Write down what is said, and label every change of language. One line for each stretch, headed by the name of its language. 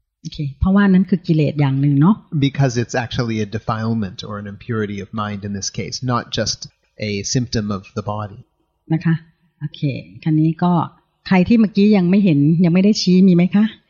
Thai: Okay, เพราะว่านั้นคือกิเลสอย่างหนึ่งเนาะ
English: Because it's actually a defilement or an impurity of mind in this case, not just a symptom of the body.
Thai: นะคะโอเคคราวนี้ก็ใครที่เมื่อกี้ยังไม่เห็นยังไม่ได้ชี้มีไหมคะ